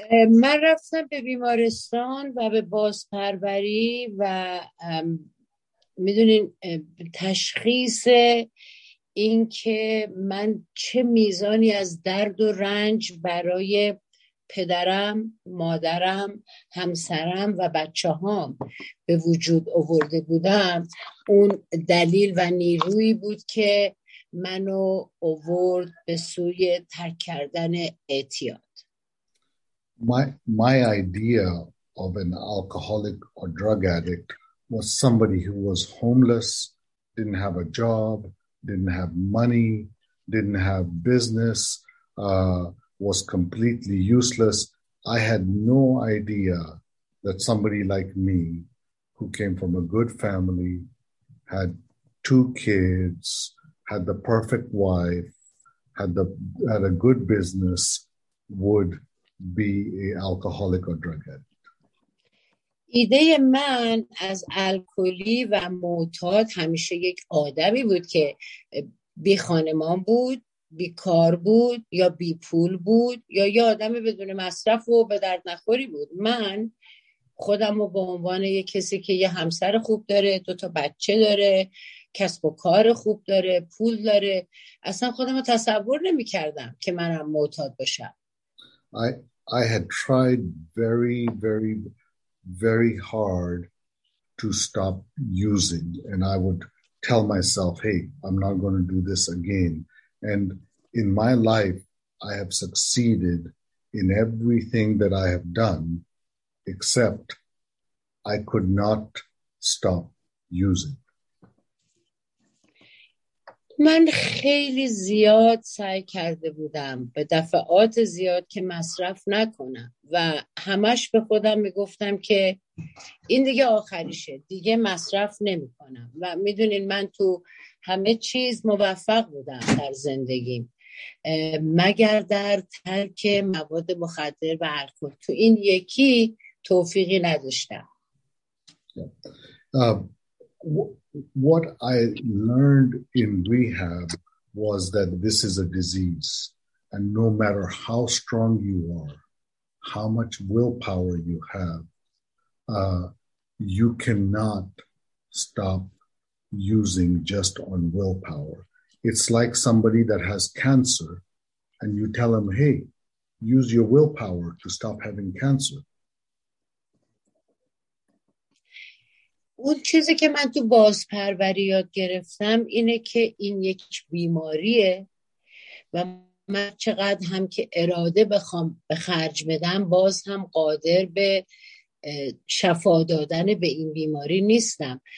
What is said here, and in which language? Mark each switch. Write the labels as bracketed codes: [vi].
[fa] من رفتم به بیمارستان و به بازپروری و میدونین تشخیص این که من چه میزانی از درد و رنج برای پدرم، مادرم، همسرم و بچه هام به وجود آورده بودم، اون دلیل و نیرویی بود که منو آورد به سوی ترک کردن اعتیاد. [en] My idea of an alcoholic or drug addict was somebody who was homeless, didn't have a job, didn't have money, didn't have business, was completely useless. I had no idea that somebody like me, who came from a good family, had 2 kids, had the perfect wife, had a good business, would be an alcoholic or drug addict. [fa] ایده من از الکلی و معتاد همیشه یک آدمی بود که بی خانمان بود، بی کار بود، یا بی پول بود، یا یه آدم بدون مصرف و به درد نخوری بود. من خودم رو به عنوان یک کسی که یه همسر خوب داره، 2 تا بچه داره، کسب و کار خوب داره، پول داره، اصلا خودم رو تصور نمی کردم که منم معتاد باشم. [en] I had tried very, very, very hard to stop using. And I would tell myself, hey, I'm not going to do this again. And in my life, I have succeeded in everything that I have done, except I could not stop using. [fa] من خیلی زیاد سعی کرده بودم به دفعات زیاد که مصرف نکنم و همش به خودم میگفتم که این دیگه آخریشه، دیگه مصرف نمی کنم. و میدونین من تو همه چیز موفق بودم در زندگیم، مگر در ترک مواد مخدر و الکل. تو این یکی توفیقی نداشتم. [en] What I learned in rehab was that this is a disease, and no matter how strong you are, how much willpower you have, you cannot stop using just on willpower. It's like somebody that has cancer and you tell him, hey, use your willpower to stop having cancer. [fa] اون چیزی که من تو بازپروری یاد گرفتم اینه که این یک بیماریه و من چقدر هم که اراده بخوام به خرج بدم باز هم قادر به شفا دادن به این بیماری نیستم.